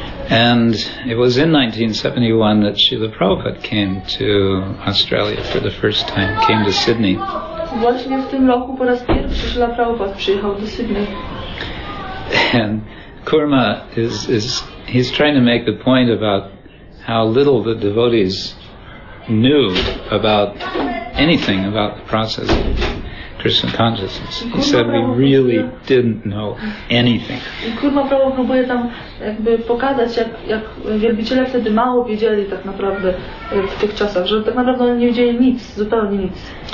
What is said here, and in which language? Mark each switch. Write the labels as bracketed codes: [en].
[en] And it was in 1971 that Srila Prabhupada came to Australia for the first time, came to Sydney. [pl] Właśnie w tym roku po raz pierwszy Srila Prabhupada przyjechał do Sydney. [en] And Kurma he's trying to make the point about how little the devotees knew about anything about the process of Krishna consciousness. He said we really didn't know anything. [pl] Kurma Prabhu próbuje tam jakby pokazać, jak wielbiciele wtedy mało wiedzieli tak naprawdę w tych czasach, że tak naprawdę oni nie wiedzieli nic, zupełnie nic.